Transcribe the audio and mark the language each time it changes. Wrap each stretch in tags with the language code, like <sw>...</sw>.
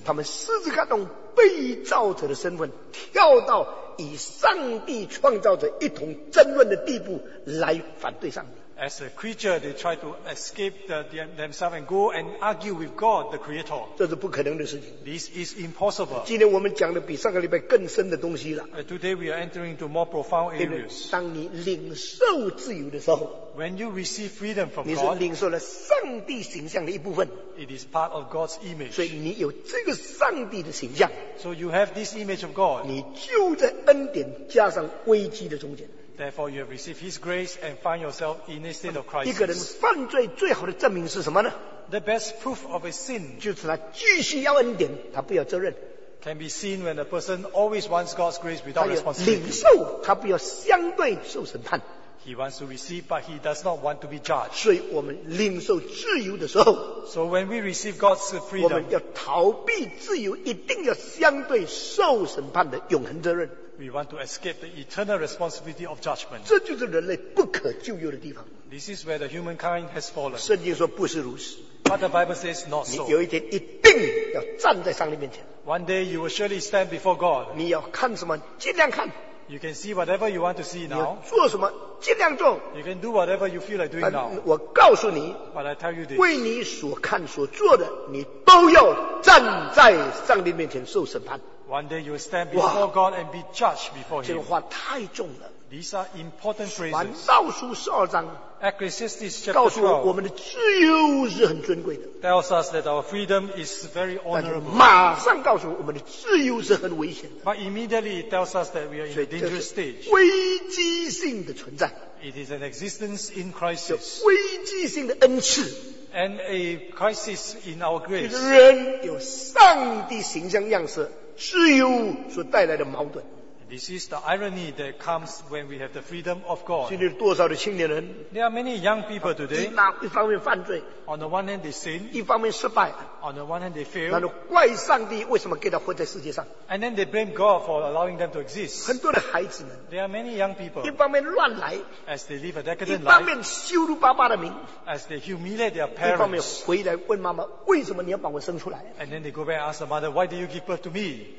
<zh>他们试试看用被造者的身份跳到与上帝创造者一同争论的地步来反对上帝。</zh> <en>As a creature, they try to escape themselves and go and argue with God, the Creator.</en> <zh>这是不可能的事情。</zh> <en>This is impossible.</en> <zh>今天我们讲的比上个礼拜更深的东西了。</zh> <en>Today we are entering into more profound areas.</en> <zh>当你领受自由的时候</zh> <en>，When you receive freedom from God,</en> <zh>你是领受了上帝形象的一部分。</zh> <en>It is part of God's image.</en> <zh>所以你有这个上帝的形象。</zh> <en>So you have this image of God.</en> <zh>你就在恩典加上危机的中间。</zh> <en>Therefore, you have received His grace and find yourself in a state of crisis.</en> <zh>一个人犯罪最好的证明是什么呢？</zh> <en>The best proof of a sin</en> <zh>就是他继续要恩典，他不要责任。</zh> <en>Can be seen when a person always wants God's grace without responsibility.</en> <zh>他要领受，他不要相对受审判。</zh> <en>He wants to receive, but he does not want to be judged.</en> <zh>所以我们领受自由的时候</zh> <en>，So when we receive God's freedom,</en> <zh>我们要逃避自由，一定要相对受审判的永恒责任。</zh> <en>We want to escape the eternal responsibility of judgment.</en> <zh>这就是人类不可救药的地方。</zh> <en>This is where the humankind has fallen.</en> <zh>圣经说不是如此。</zh> <en>But the Bible says not so.</en> <zh>你有一天一定要站在上帝面前。</zh> <en>One day you will surely stand before God.</en> <zh>你要看什么，尽量看。</zh> <en>You can see whatever you want to see now.</en> <zh>你做什么，尽量做。</zh> <en>You can do whatever you feel like doing now.</en> <zh>我告诉你</zh> <en>，But I tell you this.</en> <zh>为你所看所做的，你都要站在上帝面前受审判。</zh> <en>One day you will stand before God and be judged before Him.</en> <zh>这个话太重了。</zh> <en>These are important phrases.</en> <zh>传道书十二章。</zh> <en>Ecclesiastes chapter</en> <zh>12. 告诉我们的自由是很尊贵的。</zh> <en>Tells us that our freedom is very honorable.</en> <zh>马上告诉我们的自由是很危险的。</zh> <en>But immediately it tells us that we are in a dangerous stage.</en> <zh>危机性的存在。</zh> <en>It is an existence in crisis.</en> <zh>危机性的恩赐。</zh> <en>And a crisis in our grace.</en> <zh>人有上帝形象样式。自由所带来的矛盾。</zh> <en>This is the irony that comes when we have the freedom of God.</en> <zh>今天多少的青年人</zh> <en>？There are many young people today.</en> <zh>一方面犯罪</zh> <en>，On the one hand they sin.</en> <zh>一方面失败</zh> <en>，On the one hand they fail.</en> <zh>然后怪上帝为什么给他活在世界上</zh> <en>？And then they blame God for allowing them to exist.</en> <zh>很多的孩子们</zh> <en>，There are many young people.</en> <zh>一方面乱来</zh> <en>，As they live a decadent life.</en> <zh>一方面羞辱爸爸的名</zh> <en>，As they humiliate their parents.</en> <zh>一方面回来问妈妈为什么你要把我生出来</zh> <en>？And then they go back and ask the mother why did you give birth to me?</en>